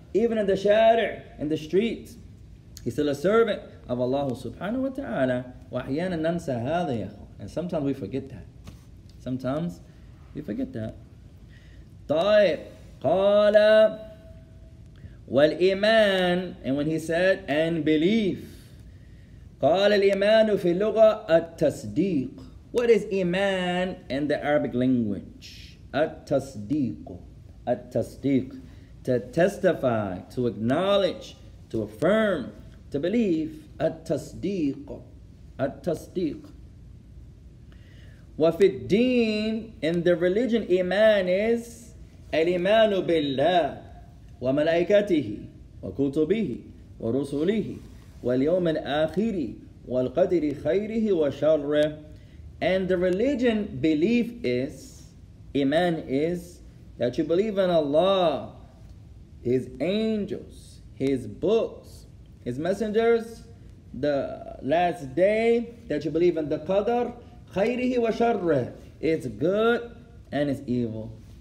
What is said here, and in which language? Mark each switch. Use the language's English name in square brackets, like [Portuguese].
[English] Even in the shadr, in the streets, he's still a servant of Allah Subhanahu Wa Ta'ala. [Arabic] وَأَحْيَانًا نَنْسَ هَذَا يَا أَخْوَانَ. [English] And sometimes we forget that. Sometimes we forget that. [Arabic] طَيْبْ قَالَ والإيمان, [English] and when he said, and belief. [Arabic] قال الإيمان في اللغة التصديق. [English] What is إيمان in the Arabic language? [Arabic] التصديق. التصديق. [English] To testify, to acknowledge, to affirm, to believe. [Arabic] التصديق. التصديق. وفي الدين, [English] in the religion, [Arabic] إيمان is الإيمان بالله وملائكته وكتبه ورسله واليوم الآخر والقدر خيره وشره. [English] And the religion belief is, iman is, that you believe in Allah, His angels, His books, His messengers, the last day, that you believe in the qadr, [Arabic] خيره وشره, [English] it's good and it's evil.